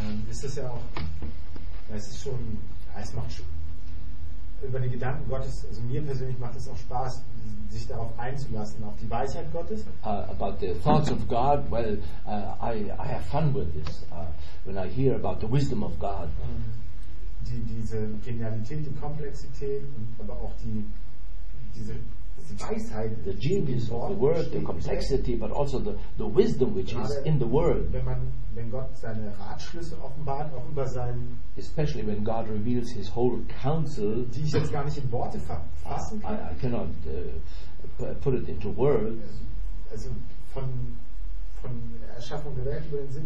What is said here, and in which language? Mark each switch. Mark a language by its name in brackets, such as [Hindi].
[German] ist das ja auch, es ist schon, es macht schon, über die Gedanken Gottes, also mir persönlich macht es auch Spaß, sich darauf einzulassen, auf die Weisheit Gottes. [English] About the thoughts of God, well, I have fun with this, when I hear about the wisdom of God. [German] Diese Genialität, die Komplexität, aber auch diese Weisheit, [English] the genius of the word, the complexity, but also the wisdom which is in the word. [German] Wenn Gott seine Ratschlüsse offenbart, auch über sein, [English] especially when God reveals his whole counsel, [German] die ich jetzt gar nicht in Worte fassen kann. [English] I cannot put it into words. [German] Also von Erschaffung der Welt über den Sinn,